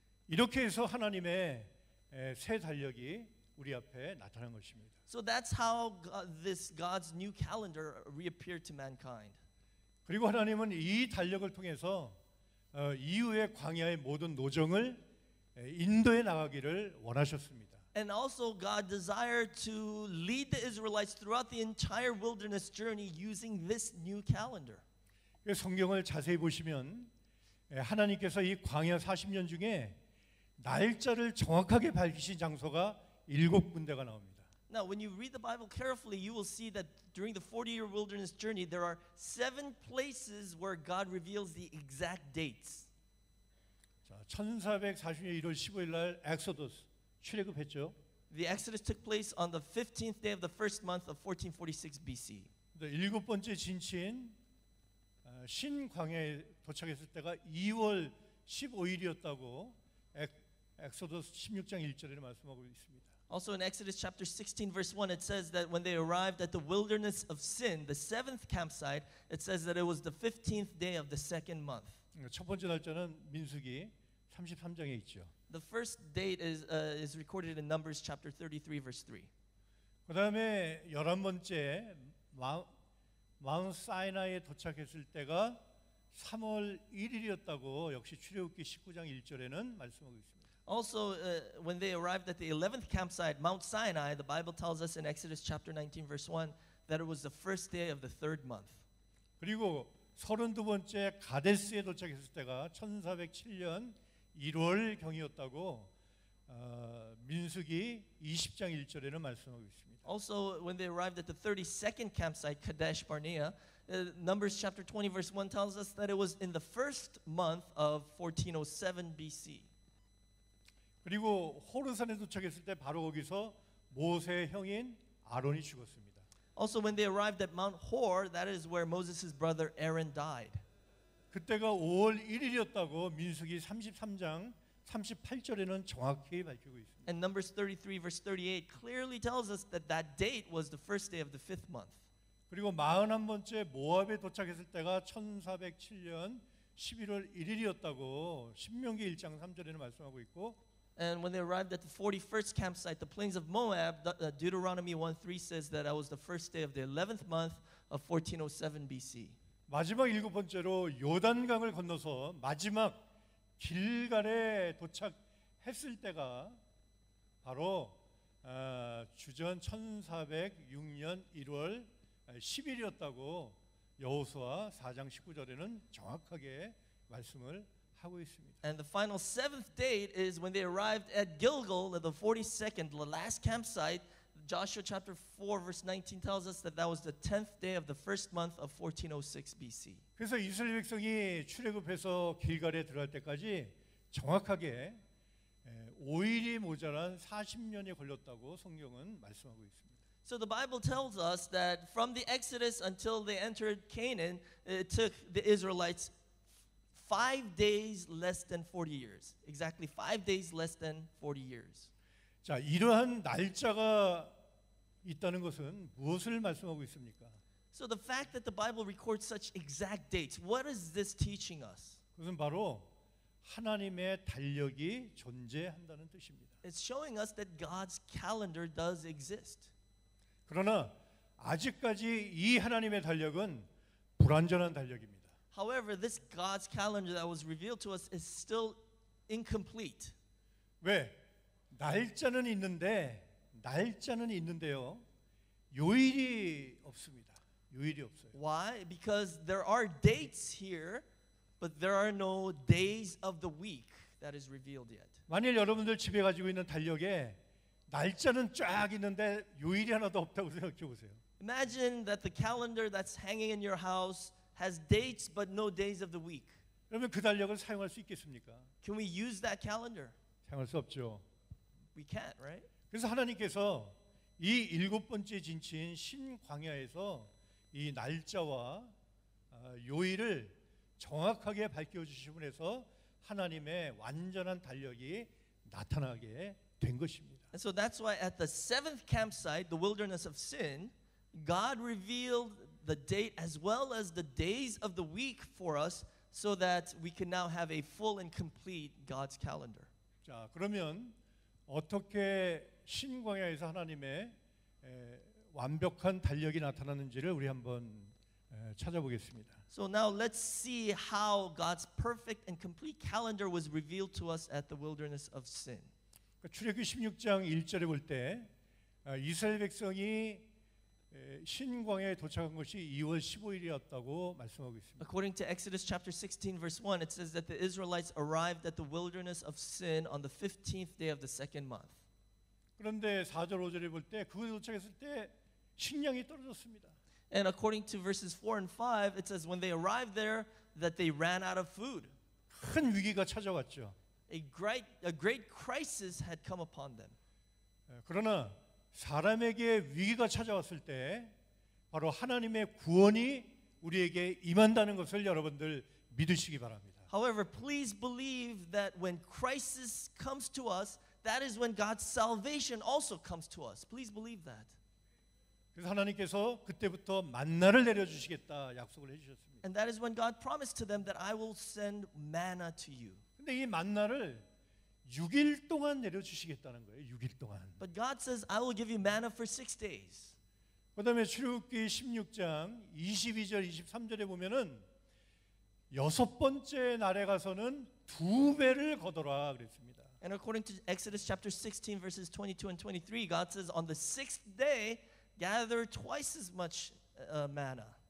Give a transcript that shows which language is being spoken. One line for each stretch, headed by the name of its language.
Korean: 이렇게 해서 하나님의 새 달력이 우리 앞에 나타난 것입니다.
English: So that's how this God's new calendar reappeared to mankind.
Korean: 그리고 하나님은 이 달력을 통해서 이후의 광야의 모든 노정을 인도해 나가기를 원하셨습니다.
English: And also God desired to lead the Israelites throughout the entire wilderness journey using this new calendar.
Korean: 성경을 자세히 보시면 하나님께서 이 광야 40년 중에 날짜를 정확하게 밝히신 장소가 일곱 군데가 나옵니다.
English: Now when you read the Bible carefully, you will see that during the 40-year wilderness journey, there are seven places where God reveals the exact dates.
Korean: 1440년 1월 15일 날 엑소더스 출애굽했죠.
English: The Exodus took place on the 15th day of the first month of 1446 BC.
Korean: 일곱 번째 진치인 신광야에 도착했을 때가 2월 15일이었다고 엑소더스 16장 1절에 말씀하고 있습니다.
English: Also in Exodus chapter 16 verse 1 it says that when they arrived at the wilderness of Sin, the seventh campsite, it says that it was the 15th day of the second month.
Korean: 첫 번째 날짜는 민수기 33장에 있죠.
English: The first date is recorded in Numbers chapter 33 verse 3.
Korean: 그다음에 열한 번째 마운트 사이나이에 도착했을 때가 3월 1일이었다고 역시 출애굽기 19장 1절에는 말씀하고 있습니다.
English: Also, when they arrived at the 11th campsite, Mount Sinai, the Bible tells us in Exodus chapter 19, verse 1, that it was the first day of the third month.
Korean: 그리고 32번째 가데스에 도착했을 때가 1407년 1월경이었다고 민수기 20장 1절에는 말씀하고 있습니다.
English: Also, when they arrived at the 32nd campsite, Kadesh Barnea, Numbers chapter 20, verse 1 tells us that it was in the first month of 1407 BC.
Korean: 그리고 호르산에 도착했을 때 바로 거기서 모세의 형인 아론이 죽었습니다.
English: Also when they arrived at Mount Hor, that is where Moses' brother Aaron died.
Korean: 그때가 5월 1일이었다고 민수기 33장 38절에는 정확히 밝히고 있습니다.
English: And Numbers 33 verse 38 clearly tells us that that date was the first day of the fifth month.
Korean: 그리고 41번째 모압에 도착했을 때가 1407년 11월 1일이었다고 신명기 1장 3절에는 말씀하고 있고
English: And when they arrived at the 41st campsite, the plains of Moab, Deuteronomy 1:3 says that that was the first day of the 11th month of 1407 BC.
Korean: 마지막 일곱 번째로 요단강을 건너서 마지막 길갈에 도착했을 때가 바로 주전 1406년 1월 10일이었다고 여호수아 4장 19절에는 정확하게 말씀을
English: And the final seventh date is when they arrived at Gilgal, the 42nd, the last campsite. Joshua chapter 4 verse 19 tells us that that was the 10th day of the first month of 1406 BC.
Korean: 그래서 이스라엘 백성이 출애굽해서 길갈에 들어갈 때까지 정확하게 5일이 모자란 40년이 걸렸다고 성경은 말씀하고 있습니다.
English: So the Bible tells us that from the Exodus until they entered Canaan, it took the Israelites 5 days less than 40 years. Exactly 5 days less than 40 years.
Korean: 자, 이러한 날짜가 있다는 것은 무엇을 말씀하고 있습니까?
English: So the fact that the Bible records such exact dates, what is this teaching us?
Korean: 그것은 바로 하나님의 달력이 존재한다는 뜻입니다.
English: It's showing us that God's calendar does exist.
Korean: 그러나 아직까지 이 하나님의 달력은 불완전한 달력입니다.
English: However, this God's calendar that was revealed to us is still incomplete.
Korean: 왜? 날짜는 있는데, 날짜는 있는데요. 요일이 없습니다. 요일이 없어요.
English: Why? Because there are dates here, but there are no days of the week that is revealed yet.
Korean: 만일 여러분들 집에 가지고 있는 달력에 날짜는 쫙 있는데 요일이 하나도 없다고 생각해 보세요.
English: Imagine that the calendar that's hanging in your house has dates but no days of the week.
Korean: 그러면 그 달력을 사용할 수 있겠습니까?
English: Can we use that calendar?
Korean: 사용할 수 없죠.
English: We can't, right?
Korean: 그래서 하나님께서 이 일곱 번째 진치인 신광야에서 이 날짜와 요일을 정확하게 밝혀 주심으로 해서 하나님의 완전한 달력이 나타나게 된 것입니다.
English: And so that's why at the seventh campsite, the wilderness of sin, God revealed the date as well as the days of the week for us so that we can now have a full and complete God's calendar.
Korean: 자, 그러면 어떻게 신광야에서 하나님의 완벽한 달력이 나타나는지를 우리 한번 찾아보겠습니다.
English: So now let's see how God's perfect and complete calendar was revealed to us at the wilderness of sin.
Korean: 출애굽기 16장 1절에 볼 때 이스라엘 백성이 신광야에 도착한 것이 2월 15일이었다고 말씀하고 있습니다.
English: According to Exodus chapter 16 verse 1, it says that the Israelites arrived at the wilderness of sin on the 15th day of the second month.
Korean: 그런데 4절 5절에 볼 때 그곳에 도착했을 때 식량이 떨어졌습니다.
English: And according to verses 4 and 5, it says when they arrived there that they ran out of food.
Korean: 큰 위기가 찾아왔죠.
English: A great crisis had come upon them.
Korean: 그러나 사람에게 위기가 찾아왔을 때 바로 하나님의 구원이 우리에게 임한다는 것을 여러분들 믿으시기 바랍니다.
English: However, please believe that when crisis comes to us, that is when God's salvation also comes to us. Please believe that.
Korean: 그래서 하나님께서 그때부터 만나를 내려 주시겠다 약속을 해 주셨습니다.
English: And that is when God promised to them that I will send manna to you.
Korean: 근데 이 만나를 6일 동안 내려 주시겠다는 거예요. 6일 동안.
English: But God says I will give you manna for 6 days.
Korean: 그다음에 출애굽기 16장 22절 23절에 보면은 여섯 번째 날에 가서는 두 배를 거둬라 그랬습니다.
English: And according to Exodus chapter 16 verses 22 and 23, God says on the 6th day gather twice as much manna.